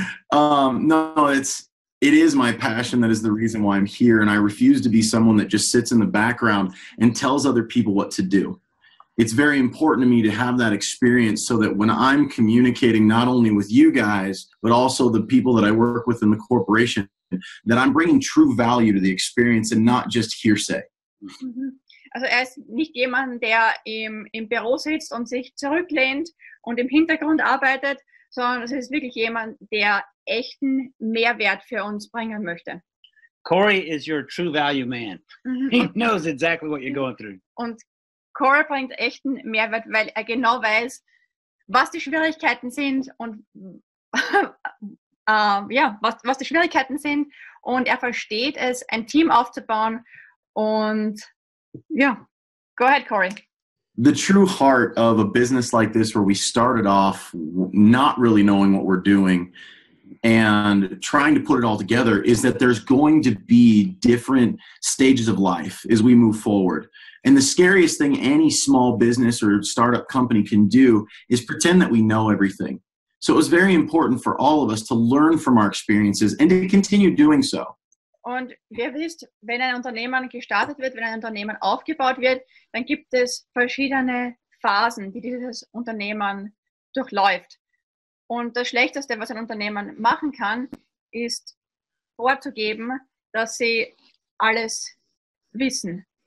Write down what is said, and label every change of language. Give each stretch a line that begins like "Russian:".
English: No, it is my passion that is the reason why I'm here, and I refuse to be someone that just sits in the background and tells other people what to do. It's very important to me to have that experience so that when I'm communicating not only with you guys, but also the people that I work with in the corporation, that I'm bringing true value to the experience and not just hearsay.
German: Also er ist nicht jemand, der im Büro sitzt und sich zurücklehnt und im Hintergrund arbeitet, sondern es ist wirklich jemand, der echten Mehrwert für uns bringen möchte.
English: Corey is your true value man. He knows exactly what you're going through.
German: Und Corey bringt echten Mehrwert, weil er genau weiß, was die Schwierigkeiten sind und was die Schwierigkeiten sind und er versteht es, ein Team aufzubauen und yeah, go ahead, Corey.
English: The true heart of a business like this, where we started off not really knowing what we're doing and trying to put it all together, is that there's going to be different stages of life as we move forward. And the scariest thing any small business or startup company can do is pretend that we know everything. So it was very important for all of us to learn from our experiences and to continue doing so.
German: Und wer wisst, wenn ein Unternehmen gestartet wird, wenn ein Unternehmen aufgebaut wird, dann gibt es verschiedene Phasen, die dieses Unternehmen durchläuft. Und das Schlechteste, was ein Unternehmen machen kann, ist vorzugeben, dass sie alles wissen.